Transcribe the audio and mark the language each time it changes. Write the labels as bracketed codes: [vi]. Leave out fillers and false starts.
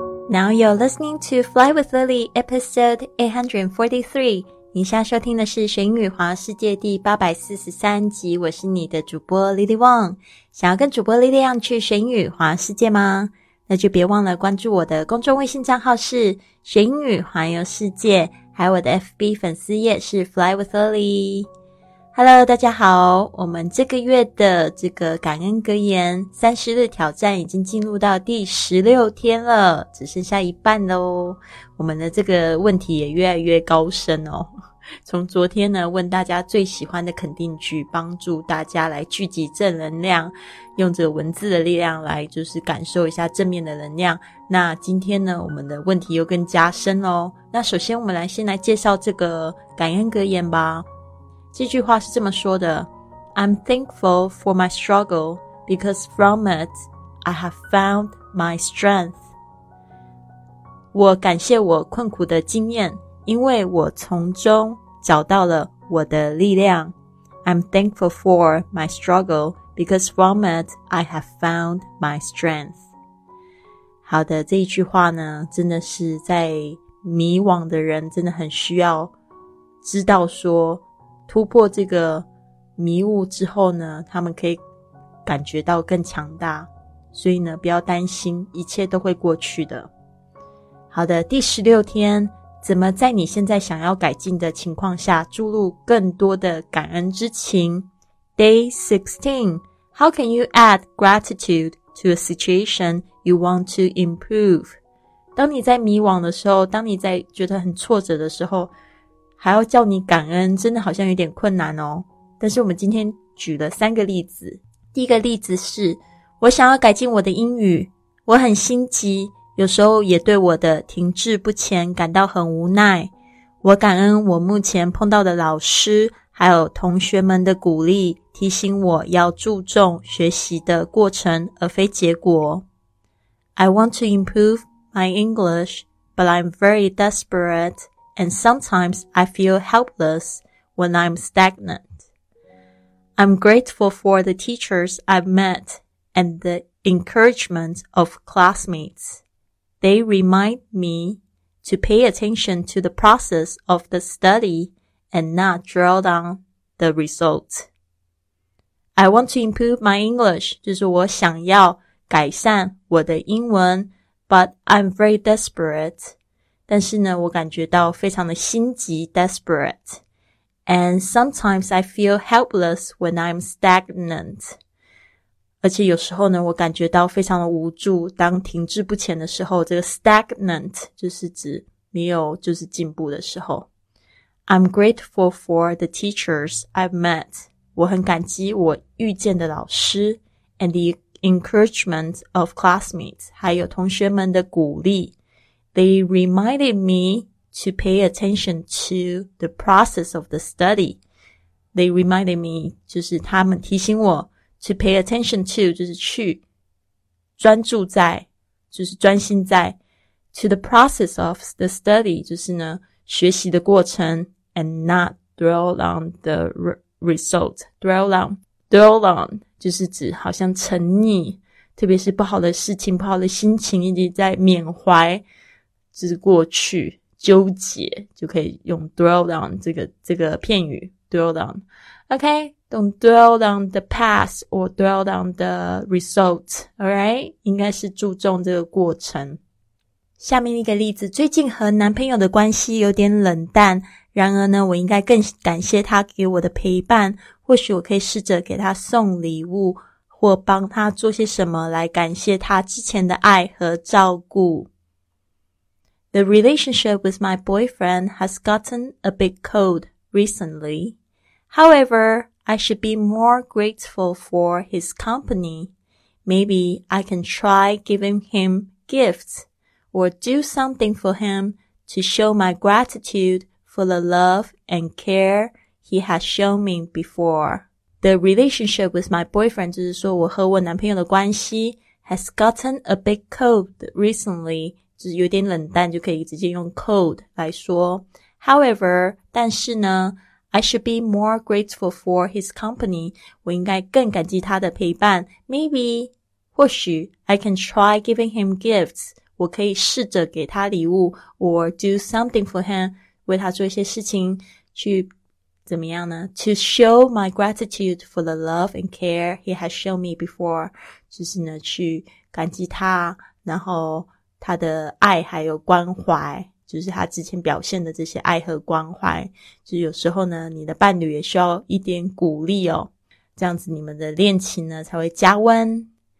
[en] Now you're listening to Fly with Lily, episode 843. [zh] 你现在收听的是学英语环游世界第843集，我是你的主播 Lily Wang。想要跟主播 Lily Wang 去学英语环游世界吗？那就别忘了关注我的公众微信账号是学英语环游世界，还有我的 FB 粉丝页是 Fly with Lily。 [en] Hello, [zh] 大家好，我们这个月的这个感恩格言30日挑战已经进入到第16天了，只剩下一半咯。我们的这个问题也越来越高深哦。从昨天呢问大家最喜欢的肯定句，帮助大家来聚集正能量，用这个文字的力量来就是感受一下正面的能量。那今天呢我们的问题又更加深咯。那首先我们来先来介绍这个感恩格言吧。这句话是这么说的， [en] I'm thankful for my struggle because from it I have found my strength. [zh] 我感谢我困苦的经验，因为我从中找到了我的力量。 [en] I'm thankful for my struggle because from it I have found my strength. [zh] 好的，这一句话呢真的是在迷惘的人真的很需要知道，说突破这个迷雾之后呢，他们可以感觉到更强大，所以呢不要担心，一切都会过去的。好的，第16天，怎么在你现在想要改进的情况下注入更多的感恩之情。 [en] Day 16, How can you add gratitude to a situation you want to improve? [zh] 当你在迷惘的时候，当你在觉得很挫折的时候，还要叫你感恩，真的好像有点困难哦。但是我们今天举了三个例子。第一个例子是，我想要改进我的英语，我很心急，有时候也对我的停滞不前感到很无奈。我感恩我目前碰到的老师，还有同学们的鼓励，提醒我要注重学习的过程而非结果。 [en] I want to improve my English, but I'm very desperate. And sometimes I feel helpless when I'm stagnant. I'm grateful for the teachers I've met and the encouragement of classmates. They remind me to pay attention to the process of the study and not drill down the result. I want to improve my English, [zh] 就是我想要改善我的英文, [en] but I'm very desperate. [zh] 但是呢我感觉到非常的心急 desperate. [en] And sometimes I feel helpless when I'm stagnant. [zh] 而且有时候呢我感觉到非常的无助，当停滞不前的时候，这个 stagnant 就是指没有就是进步的时候。 [en] I'm grateful for the teachers I've met. [zh] 我很感激我遇见的老师 [en] and the encouragement of classmates, [zh] 还有同学们的鼓励。 [en] They reminded me to pay attention to the process of the study. They reminded me, [zh] 就是他们提醒我 [en] to pay attention to, [zh] 就是去专注在，就是专心在 [en] to the process of the study, [zh] 就是呢学习的过程 [en] and not dwell on the result. [zh] Dwell on, 就是指好像沉溺，特别是不好的事情，不好的心情，一直在缅怀就是过去纠结，就可以用 dwell down 这个片语 dwell down. [en] OK, don't dwell down the past or dwell down the result. Alright, [zh] 应该是注重这个过程。下面一个例子，最近和男朋友的关系有点冷淡，然而呢我应该更感谢他给我的陪伴，或许我可以试着给他送礼物或帮他做些什么来感谢他之前的爱和照顾。 [en] The relationship with my boyfriend has gotten a bit cold recently. However, I should be more grateful for his company. Maybe I can try giving him gifts or do something for him to show my gratitude for the love and care he has shown me before. The relationship with my boyfriend, [zh] 就是说我和我男朋友的关系 [en] has gotten a bit cold recently. [zh] 就是有点冷淡，就可以直接用 cold 来说。 [en] However, [zh] 但是呢 [en] I should be more grateful for his company. [zh] 我应该更感激他的陪伴。 [en] Maybe, [zh] 或许 [en] I can try giving him gifts. [zh] 我可以试着给他礼物 [en] or do something for him, [zh] 为他做一些事情去怎么样呢 ? [en] To show my gratitude for the love and care he has shown me before, [zh] 就是呢去感激他然后他的爱还有关怀就是他之前表现的这些爱和关怀就是有时候呢你的伴侣也需要一点鼓励哦这样子你们的恋情呢才会加温